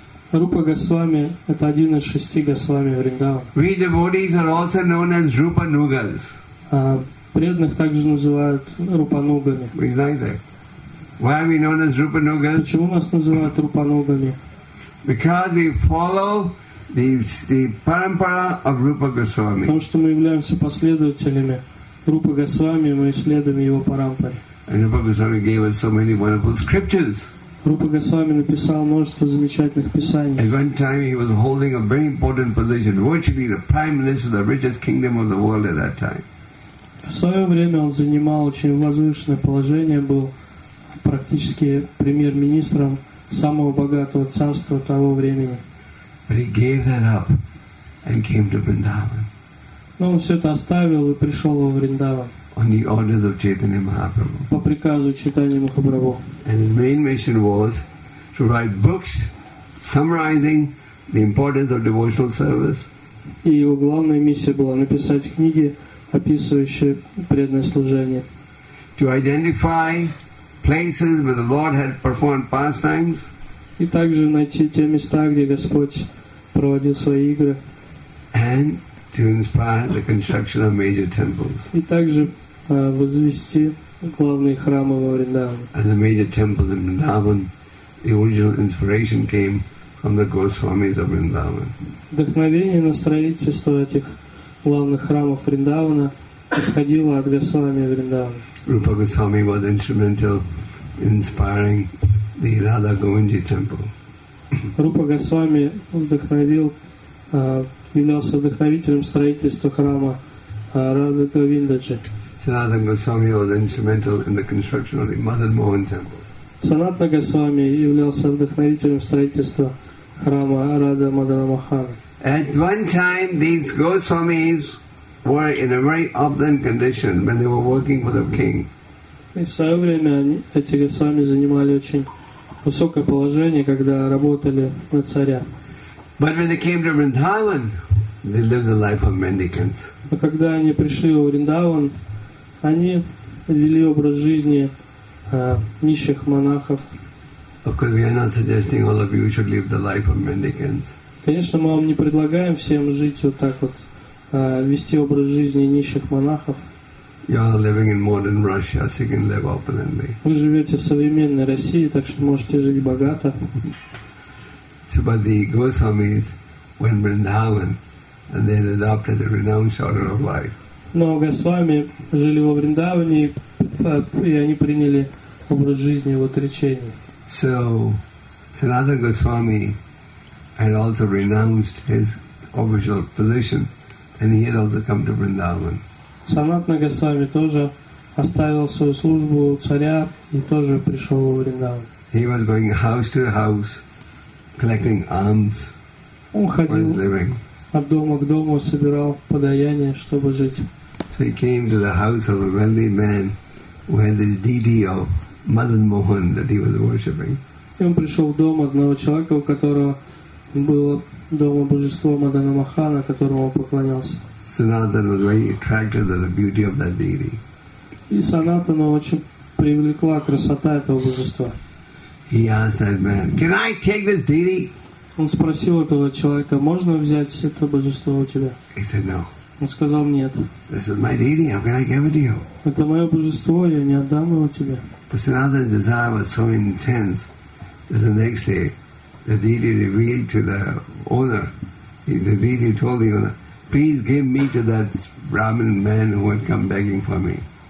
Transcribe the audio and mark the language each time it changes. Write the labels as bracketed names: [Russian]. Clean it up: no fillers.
[Russian] Рупа Госвами – это один из шести Госвами Вриндавана. [English] We devotees are also known as Rupa Nugas. [Russian] Преданных также называют Рупа Нугами. [English] We like that. Why are we known as Rupa Nugas? [Russian] Почему нас называют Рупа Нугами? [English] Because we follow the parampara of Rupa Goswami. [Russian] Потому что мы являемся последователями Рупа Госвами, мы следуем его парампаре. [English] And Rupa Goswami gave us so many wonderful scriptures. [Russian] Рупа Госвами написал множество замечательных писаний. [English] At one time he was holding a very important position, virtually the prime minister of the richest kingdom of the world at that time. [Russian] В свое время он занимал очень возвышенное положение, был практически премьер-министром самого богатого царства того времени. [English] But he gave that up and came to Vrindavan. [Russian] Но он все это оставил и пришел во Вриндаван. [English] On the orders of Chaitanya Mahaprabhu. [Russian] По приказу Чайтаньи Махапрабху. [English] And his main mission was to write books summarizing the importance of devotional service. [Russian] И его главная миссия была написать книги, описывающие преданное служение. [English] To identify places where the Lord had performed pastimes. [Russian] И также найти те места, где Господь проводил свои игры. [English] And to inspire the construction of major temples. [Russian] И также возвести главные храмы во Вриндаване. [English] And the major temples in Vrindavan, the original inspiration came from the Goswamis of Vrindavan. [Russian] Вдохновение на строительство этих главных храмов Вриндавана исходило от Госвами Вриндавана. [English] Rupa Goswami was instrumental in inspiring the Radha Govindji temple. [Russian] Rupa Goswami вдохновил, являлся вдохновителем строительства храма Радха Говиндаджи. [English] Sanatana Goswami was instrumental in the construction of the Madan Mohan temple. [Russian] Sanatana Goswami являлся вдохновителем строительства храма Радха Мадана Махана. [English] At one time, these Goswamis were in a very opulent condition when they were working for the king. [Russian] И в свое время эти Госвами занимали очень высокое положение, когда работали на царя. [English] But when they came to Vrindavan, they lived the life of mendicants. [Russian] Но когда они пришли в Вриндаван, они вели образ жизни нищих монахов. [English] Of course, we are not suggesting all of you should live the life of mendicants. [Russian] Конечно, мы вам не предлагаем всем жить вот так вот, вести образ жизни нищих монахов. [English] You are living in modern Russia, so you can live opulently. [Russian] Вы живете в современной России, так что можете жить богато. [English] So, but the Goswamis went Vrindavan, and they adopted the renounced order of life. [Russian] Но Госвами жили во Вриндаване, и они приняли образ жизни в отречении. [English] So, Sanatana Goswami had also renounced his official position, and he had also come to Vrindavan. [Russian] Sanatana Goswami тоже оставил свою службу царя и тоже пришел во Вриндаван. [English] He was going house to house, collecting alms for his living. [Russian] От дома к дому собирал подаяние, чтобы жить. [English] So he came to the house of a wealthy man who had this deity of Madan Mohan that he was worshipping. [Russian] И он пришел в дом одного человека, у которого было дома божество Мадана Махана, которому он поклонялся. [English] Sanatana was very attracted to the beauty of that deity. [Russian] И Sanatana очень привлекла красота этого божества. [English] He asked that man, "Can I take this deity?" [Russian] Он спросил этого человека, "Можно взять это божество у тебя?" [English] He said, "No." [Russian] Он сказал, "Нет." [English] This is my deity. How can I give it to you? [Russian] Это мое божество, я не отдам его тебе. [English] But Sanatana's desire was so intense that the next day, the deity revealed to the owner, the deity told the owner, "Please give me to that Brahmin man who had come begging for me."